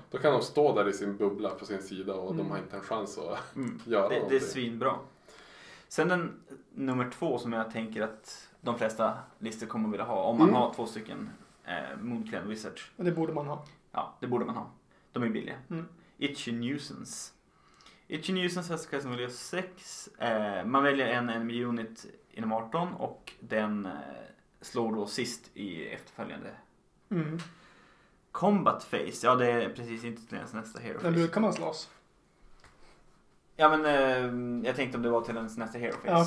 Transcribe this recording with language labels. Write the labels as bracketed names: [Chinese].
[Swedish] Då kan de stå där i sin bubbla på sin sida och de har inte en chans att göra det. Det är svinbra. Sen den nummer 2 som jag tänker att de flesta listor kommer att vilja ha. Om man har 2 stycken Moonclan Wizards. Det borde man ha. Ja, det borde man ha. De är billiga. Mm. [English] Itchy Nuisance. Itchy Nuisance has a casting value of 6. [Swedish] Man väljer en enemy unit inom 18 och den slår då sist i efterföljande. Mm. [English] Combat phase. [Swedish] Ja, det är precis inte till ens nästa hero phase. Men hur kan man slåss? Ja, men jag tänkte om det var till ens nästa hero phase.